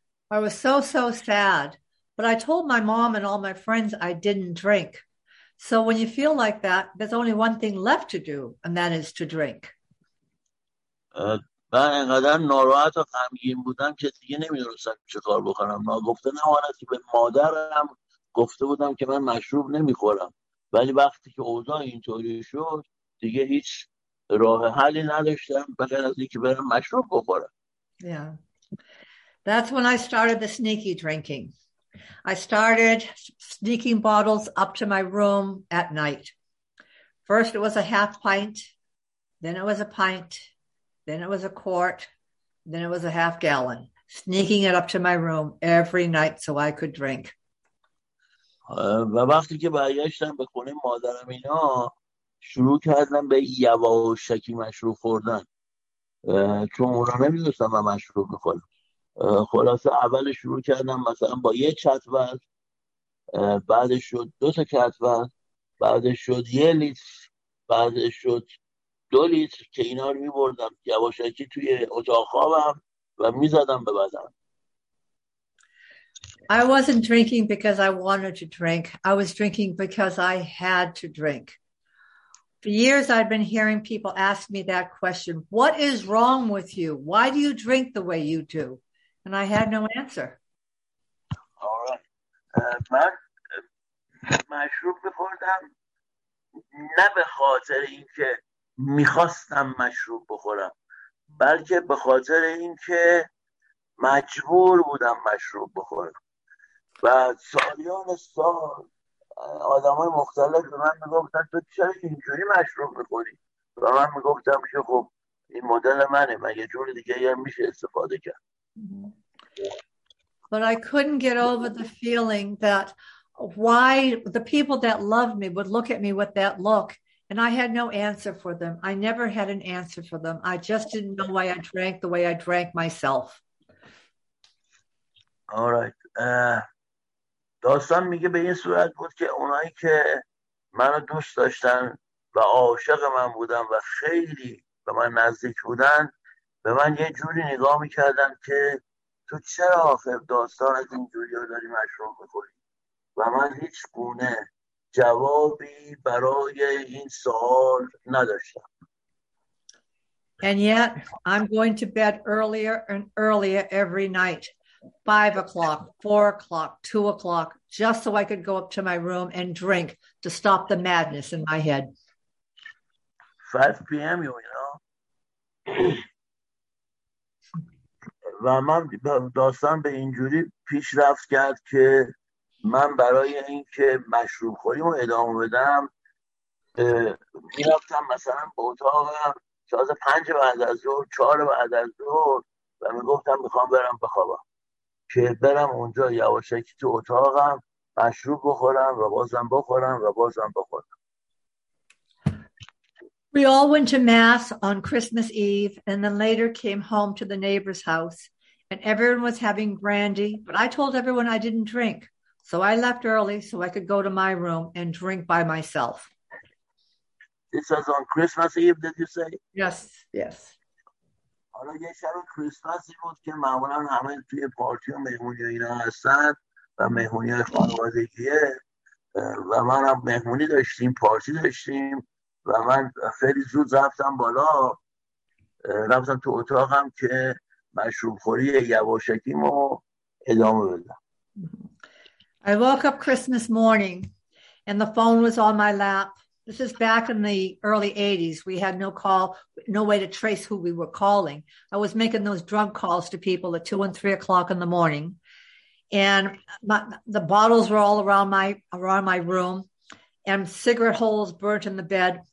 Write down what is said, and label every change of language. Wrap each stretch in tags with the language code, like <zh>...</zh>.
<en>I was so sad, but I told my mom and all my friends I didn't drink. So when you feel like that, there's only one thing left to do, and that is to drink.</en> <fa>من اینقدر ناراحت و غمگین بودم که دیگه نمیدونستم چه کار بکنم. ناگفته نمانست که به مادرم گفته بودم که من مشروب نمیخورم، ولی وقتی که اوضاع اینطوری شد دیگه هیچ راه حلی نداشتم به غیر از اینکه برم مشروب بخورم.</fa> <en>Yeah. That's when I started the sneaky drinking. I started sneaking bottles up to my room at night. First it was a half pint, then it was a pint, then it was a quart, then it was a half gallon, sneaking it up to my room every night so I could drink.</en> <fa>و وقتی که برگشتم به خونه مادرم اینا، شروع کردم به یواشکی مشروب خوردن. چون اونا نمی‌دونستن من مشروب می‌خورم. خلاصه اول شروع کردم مثلا با یه چتور، بعدش شد دو تا چتور، بعدش شد یه لیتر، بعدش شد دو لیتر که اینا رو میبردم یواشکی توی اتاق خوابم و میزدم به بدن.</fa> <en>I wasn't drinking because I wanted to drink. I was drinking because I had to drink. For years I've been hearing people ask me that question, what is wrong with you? Why do you drink the way you do? And I had no answer. All right.</en> <fa>من مشروب بخوردم نه به خاطر اینکه میخواستم مشروب بخورم، بلکه به خاطر اینکه مجبور بودم مشروب بخورم. و سالیان سال آدم های مختلف به من میگفتن تو چرا اینجوری مشروب میخوری؟ و من میگفتم که خب این مدل منه، من یه جور دیگه هم میشه استفاده کرد.</fa> <en>But I couldn't get over the feeling that why the people that loved me would look at me with that look. And I had no answer for them. I never had an answer for them. I just didn't know why I drank the way I drank myself. All right.</en> <fa>داستان میگه به این صورت بود که اونایی که منو دوست داشتن و عاشق من بودن و خیلی به من نزدیک بودن به من یه جوری نگاه میکردن که تو چرا آخر داستان از اینجوری ها داری مشروع میکنی؟ و من هیچ گونه جوابی برای این سوال نداشتم.</fa> <en>And yet I'm going to bed earlier and earlier every night. 5 o'clock, 4 o'clock, 2 o'clock, just so I could go up to my room and drink to stop the madness in my head. 5 p.m. you know.</en> <fa>و من داستان به اینجوری پیش رفت کرد که من برای اینکه مشروب خوریم رو ادامه بدم می رفتم مثلا به اتاقم ساز 5 بعد از ظهر، 4 بعد از ظهر و می گفتم میخوام برم بخوابم که برم اونجا یواشکی تو اتاقم مشروب بخورم و بازم بخورم و بازم بخورم.</fa> <en>We all went to mass on Christmas Eve and then later came home to the neighbor's house and everyone was having brandy, but I told everyone I didn't drink. So I left early so I could go to my room and drink by myself. This was on Christmas Eve, did you say? Yes, yes.</en> <fa>حالا یه شب کریسمسی بود که معمولا همه توی پارتی و مهمونی و اینا هستن و مهمونی های خانوادگیه و من هم مهمونی داشتیم، پارتی داشتیم و من خیلی زود رفتم بالا، رفتم تو اتاقم که مشروب خوری یواشکیم رو ادامه بدم.</fa> <en>I woke up Christmas morning and the phone was on my lap. This is back in the early 80s. We had no call, no way to trace who we were calling. I was making those drunk calls to people at 2 and 3 o'clock in the morning. And the bottles were all around my room and cigarette holes burnt in the bed.</en>